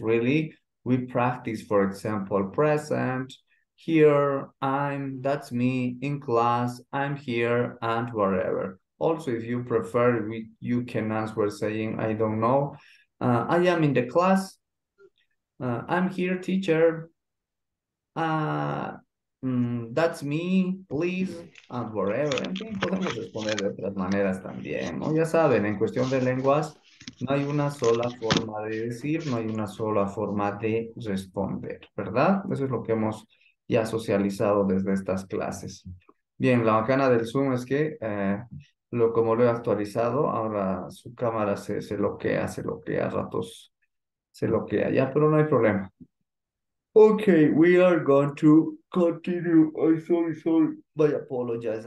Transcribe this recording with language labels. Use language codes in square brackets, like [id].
[en] Really, we practice, for example, present, here, I'm, that's me, in class, I'm here, and wherever. Also, if you prefer, you can answer saying, I don't know. I am in the class. I'm here, teacher. That's me, please, and whatever. [es] En fin, podemos responder de otras maneras también, ¿no? Ya saben, en cuestión de lenguas, no hay una sola forma de decir, no hay una sola forma de responder, ¿verdad? Eso es lo que hemos ya socializado desde estas clases. Bien, la bacana del Zoom es que, como lo he actualizado, ahora su cámara se bloquea, a ratos se bloquea ya, pero no hay problema. [en] Okay, we are going to continue. I'm sorry, sorry. I apologize.